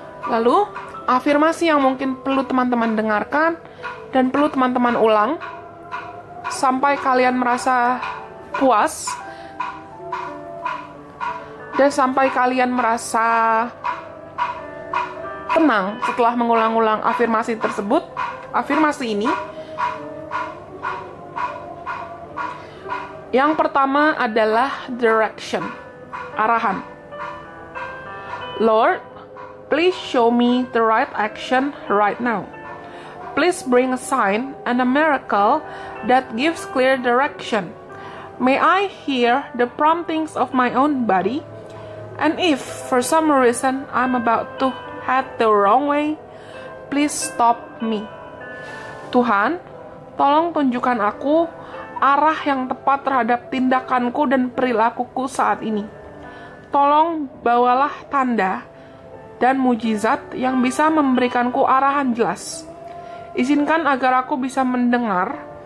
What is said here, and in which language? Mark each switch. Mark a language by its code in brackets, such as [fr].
[id] Lalu, afirmasi yang mungkin perlu teman-teman dengarkan dan perlu teman-teman ulang sampai kalian merasa puas dan sampai kalian merasa tenang setelah mengulang-ulang afirmasi tersebut, afirmasi ini. Yang pertama adalah direction, arahan. [en] Lord, please show me the right action right now. Please bring a sign and a miracle that gives clear direction. May I hear the promptings of my own body? And if for some reason I'm about to head the wrong way, please stop me. [id] Tuhan, tolong tunjukkan aku arah yang tepat terhadap tindakanku dan perilakuku saat ini. Tolong bawalah tanda dan mujizat yang bisa memberikanku arahan jelas. Izinkan agar aku bisa mendengar